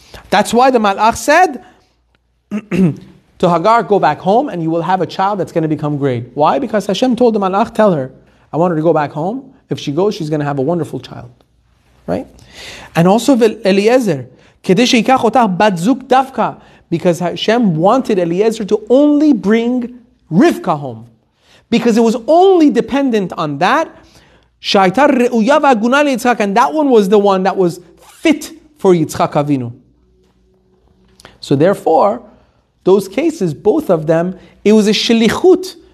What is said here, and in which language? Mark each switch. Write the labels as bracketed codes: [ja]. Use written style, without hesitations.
[en] That's why the Malach said to Hagar, go back home and you will have a child that's going to become great. Why? Because Hashem told the Malach, tell her, I want her to go back home. If she goes, she's going to have a wonderful child. Right? And also Eliezer, [he] כדי שיקח אותה בת זוג דווקא. [en] Because Hashem wanted Eliezer to only bring Rivka home. Because it was only dependent on that. [he] Shaitar re'uya v'aguna l'Yitzchak, [en] and that one was the one that was fit for Yitzchak Avinu. So therefore, those cases, both of them, it was a shlichut.